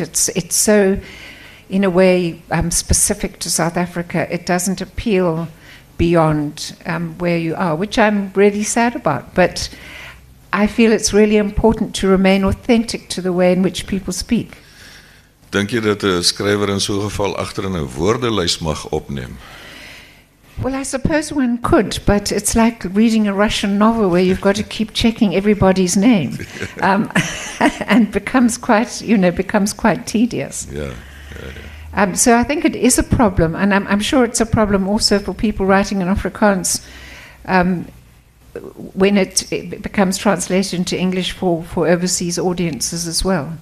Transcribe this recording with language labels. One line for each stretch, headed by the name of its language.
English: It's so, in a way, specific to South Africa. It doesn't appeal beyond where you are, which I'm really sad about. But I feel it's really important to remain authentic to the way in which people speak.
Afrikaans: Dink jy dat 'n skrywer in so 'n geval agter in 'n woordelys mag opneem?
English: Well, I suppose one could, but it's like reading a Russian novel where you've got to keep checking everybody's name. and becomes quite tedious. Yeah. So I think it is a problem, and I'm sure it's a problem also for people writing in Afrikaans when it becomes translated into English for overseas audiences as well.